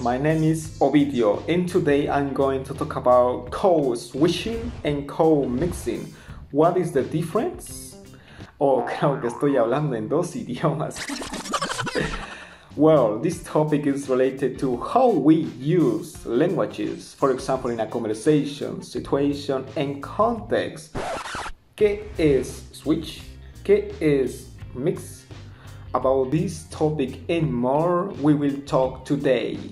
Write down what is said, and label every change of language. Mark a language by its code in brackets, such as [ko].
[en] My name is Ovidio, and today I'm going to talk about co-swishing and co-mixing. What is the difference? [es] Oh, creo que estoy hablando en dos idiomas. [en] Well, this topic is related to how we use languages, for example, in a conversation, situation, and context. [es] ¿Qué es switch? ¿Qué es mix? [en] About this topic and more, we will talk today.